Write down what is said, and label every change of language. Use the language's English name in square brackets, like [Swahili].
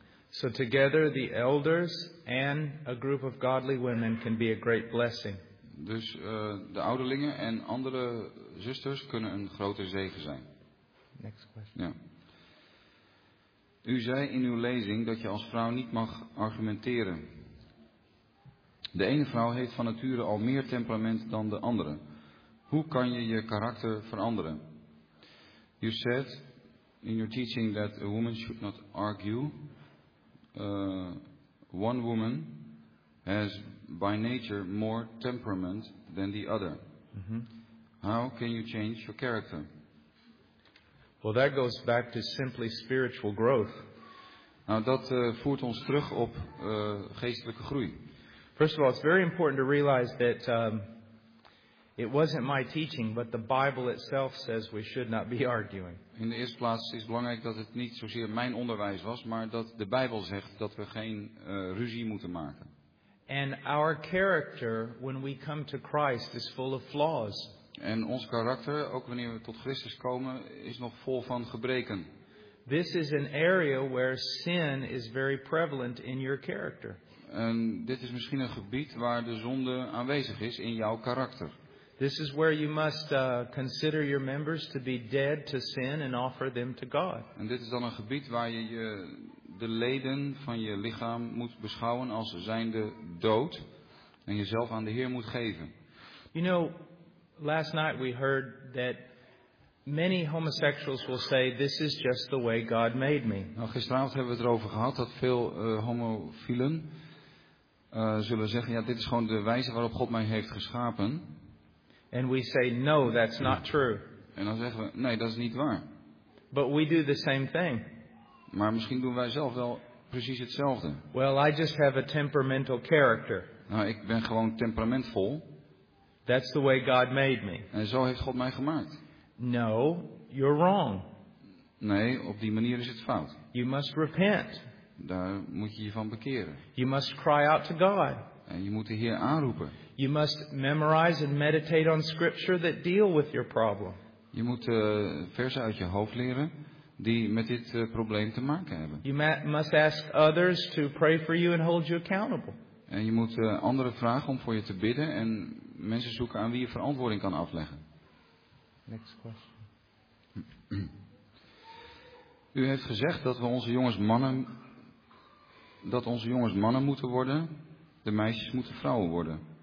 [English] So together the elders and a group of godly women can be a great blessing. [Dutch] Dus de ouderlingen en andere zusters kunnen een grote zegen zijn. [English] Next question. [Dutch] Ja. U zei in uw lezing dat je als vrouw niet mag argumenteren. De ene vrouw heeft van nature al meer temperament dan de andere. Hoe kan je je karakter veranderen? [English] You said in your teaching that a woman should not argue. One woman has by nature more temperament than the other. Mm-hmm. How can you change your character? Well, that goes back to simply spiritual growth. [Dutch] Nou, dat voert ons terug op geestelijke groei. [English] First of all, it's very important to realize that It wasn't my teaching, but the Bible itself says we should not be arguing. [Dutch] In de eerste plaats is het belangrijk dat het niet zozeer mijn onderwijs was, maar dat de Bijbel zegt dat we geen ruzie moeten maken. [English] And our character when we come to Christ is full of flaws. [Dutch] En ons karakter, ook wanneer we tot Christus komen, is nog vol van gebreken. [English] This is an area where sin is very prevalent in your character. [Dutch] En dit is misschien een gebied waar de zonde aanwezig is in jouw karakter. [English] This is where you must consider your members to be dead to sin and offer them to God. [Dutch] En dit is dan een gebied waar je de leden van je lichaam moet beschouwen als zijnde dood en jezelf aan de Heer moet geven. [English] You know, last night we heard that many homosexuals will say this is just the way God made me. [Dutch] Nou, gisteravond hebben we het erover gehad dat veel homofielen zullen zeggen, ja, dit is gewoon de wijze waarop God mij heeft geschapen. [English] And we say no, that's not true. [Dutch] En dan zeggen we, nee, dat is niet waar. [English] But we do the same thing. [Dutch] Maar misschien doen wij zelf wel precies hetzelfde. [English] Well, I just have a temperamental character. [Dutch] Nou, ik ben gewoon temperamentvol. [English] That's the way God made me. [Dutch] En zo heeft God mij gemaakt. [English] No, you're wrong. [Dutch] Nee, op die manier is het fout. [English] You must repent. [Dutch] Daar moet je je van bekeren. [English] You must cry out to God. [Dutch] En je moet de Heer aanroepen. [English] You must memorize and meditate on scripture that deal with your problem. [Dutch] Je moet versen uit je hoofd leren die met dit probleem te maken hebben. [English] You must ask others to pray for you and hold you accountable. [Dutch] En je moet anderen vragen om voor je te bidden en mensen zoeken aan wie je verantwoording kan afleggen. [English] Next question. [Dutch] U heeft gezegd dat we onze jongens mannen, dat onze jongens mannen moeten worden, de meisjes moeten vrouwen worden.